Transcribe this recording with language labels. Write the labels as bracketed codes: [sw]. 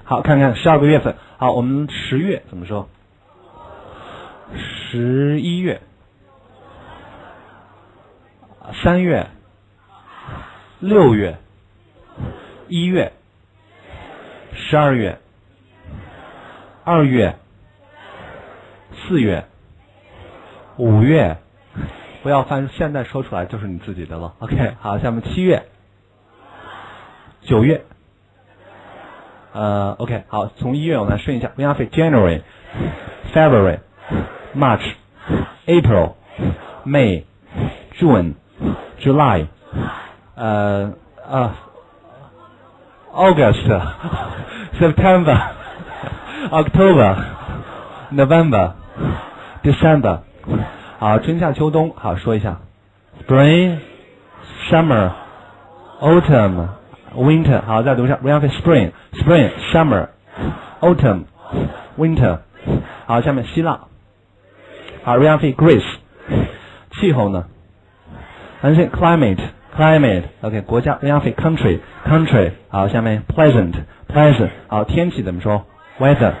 [zh] 好，看看十二个月份。好，我们十月怎么说？十一月、三月、六月、一月、十二月、二月、四月、五月。不要翻，现在说出来就是你自己的了。 OK, 好，下面七月。九月，OK， 好，从一月我们来顺一下 [en] ，We have January, February, March, April, May, June, July, August, September, October, November, December。 [zh] 好，春夏秋冬，好说一下 ， [en] Spring, Summer, Autumn。 Winter， [zh] 好，再读一下 [en] ，We have spring, summer, autumn, winter。 [zh] 好，下面希腊，好 ， [en] We have Greece， [zh] 气候呢 ？ [en] Ancient climate。 OK， [zh] 国家 [en] ，We have country。 [zh] 好，下面 pleasant。好，天气怎么说 ？Weather。